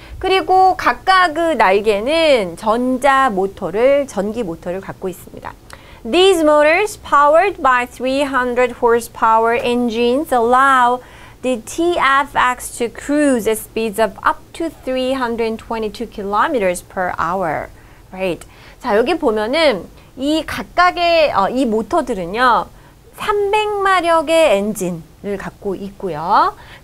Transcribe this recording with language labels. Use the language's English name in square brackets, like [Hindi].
[Korean] 그리고 각각 그 날개는 전기 모터를 갖고 있습니다. [English] These motors powered by 300 horsepower engines allow the TFX to cruise at speeds of up to 322 kilometers per hour. Right. [Korean] 자, 여기 보면은 이 각각의 이 모터들은요. 300마력의 엔진을 갖고 있고요.